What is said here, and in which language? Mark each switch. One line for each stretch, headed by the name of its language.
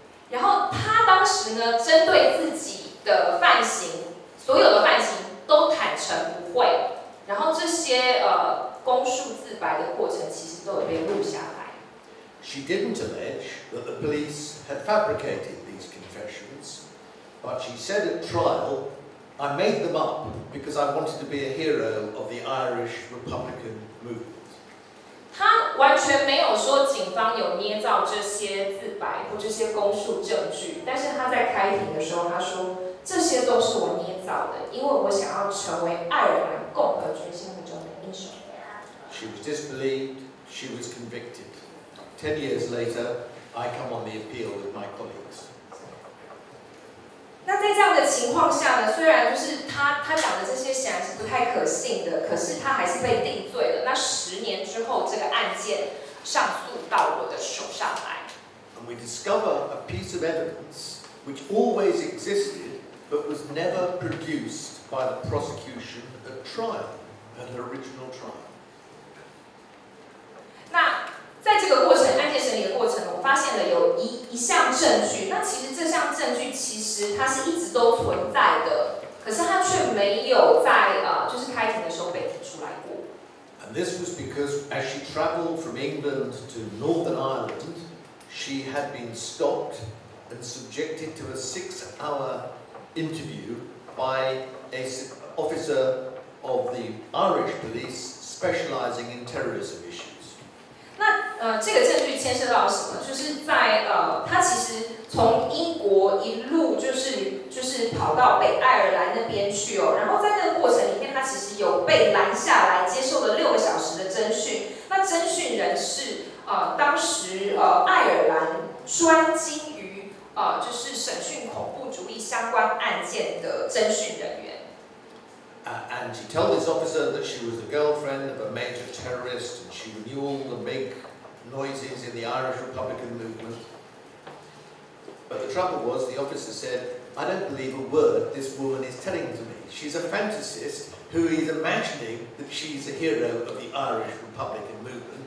Chinese: 然后她。当时呢，针对自己的犯行，所有的犯行都坦诚不讳，然后这些供述自白的过程其实都有被录下来。
English: She didn't allege that the police had fabricated these confessions, but she said at trial, "I made them up because I wanted to be a hero of the Irish Republican movement."
Chinese: 他完全没有说警方有捏造这些自白或这些供述证据，但是他在开庭的时候他说，这些都是我捏造的，因为我想要成为爱尔兰共和军心目中的英雄。
English: She was disbelieved. She was convicted. 10 years later, I come on the appeal with my colleagues.
Chinese: 那在这样的情况下呢，虽然就是他讲的这些显然是不太可信的，可是他还是被定罪了。那十年之后，这个案件，上诉到我的手上来。
English: And we discover a piece of evidence which always existed but was never produced by the prosecution at trial, at the original trial.
Chinese: 那在这个过程，案件审理的过程，我发现了有一项证据。那其实这项证据其实它是一直都存在的，可是它却没有在就是开庭的时候被提出来过。
English: And this was because as she traveled from England to Northern Ireland,She had been stopped and subjected to a six-hour interview by an officer of the Irish police specializing in terrorism issues.
Chinese: 那这个证据牵涉到什么？就是在他其实从英国一路就是跑到北爱尔兰那边去哦，然后在那个过程里面，他其实有被拦下来，接受了六个小时的侦讯。那侦讯人是。当时爱尔兰专精于就是审讯恐怖主义相关案件的侦讯人员。
English: And she told this officer that she was the girlfriend of a major terrorist, and she knew all the big noises in the Irish Republican movement. But the trouble was, the officer said, "I don't believe a word this woman is telling to me. She's a fantasist who is imagining that she's a hero of the Irish Republican movement."